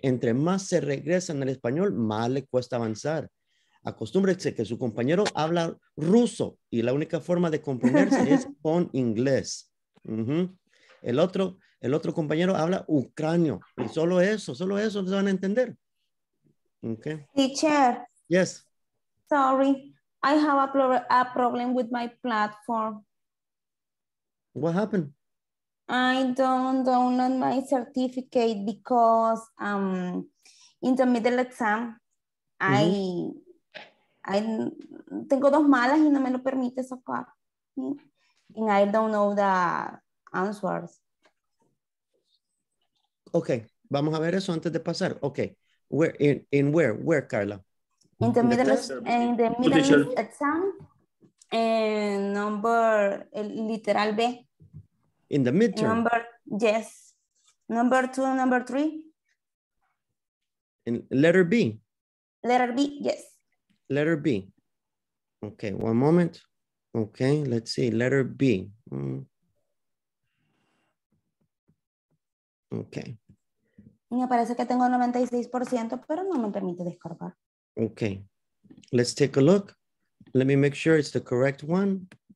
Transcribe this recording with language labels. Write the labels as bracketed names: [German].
[Spanish] Entre más se regresa en el español, más le cuesta avanzar. Acostúmbrese que su compañero habla ruso y la única forma de comprenderse es con inglés. Mm-hmm. El otro compañero habla ucranio y solo eso se van a entender. [English] Okay. Teacher. Yes. Sorry, I have a problem with my platform. What happened? I don't download my certificate because in the middle exam, mm-hmm. [Spanish] I tengo dos malas y no me lo permite sacar. [English] And I don't know the answers. [Spanish] Okay, vamos a ver eso antes de pasar. [English] Okay, where in where? Where, [Spanish] Carla? [English] In the middle, in the middle exam, and number literal B. In the midterm. Number, yes. Number two, number three. In letter B. Letter B, yes. Letter B. Okay, one moment. Okay, let's see. Letter B. Okay. [Spanish] Me parece que tengo 96%, pero no me permite descargar. [English] Okay. Let's take a look. Let me make sure it's the correct one.